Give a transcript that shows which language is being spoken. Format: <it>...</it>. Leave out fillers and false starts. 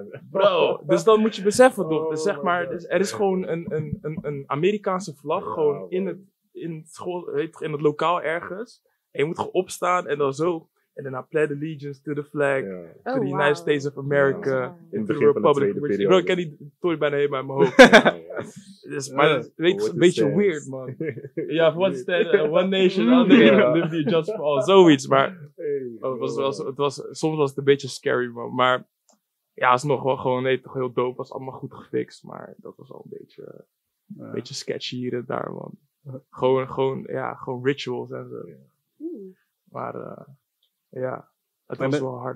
<nl>Bro, dus dan moet je beseffen, toch? Dus zeg maar, dus er is gewoon een Amerikaanse vlag, ja, gewoon man. in het lokaal ergens. En je moet gewoon opstaan en dan zo. En daarna</nl> <en>Pledge Allegiance to the flag. Ja. To the United States of America. Ja, in the Republic.</en> <nl>Bro, ik ken die toy bijna helemaal in mijn hoofd. Ja, ja. Maar dat is een beetje weird, man.</nl> <en>Ja, one nation, liberty, just for all.</en> <nl>Zoiets, maar... soms was het een beetje scary, man. Maar ja, het is nog wel gewoon toch heel dope. Het was allemaal goed gefixt, maar dat was al een beetje sketchy hier en daar, man. Gewoon rituals en zo. Maar ja, het was wel hard.</nl>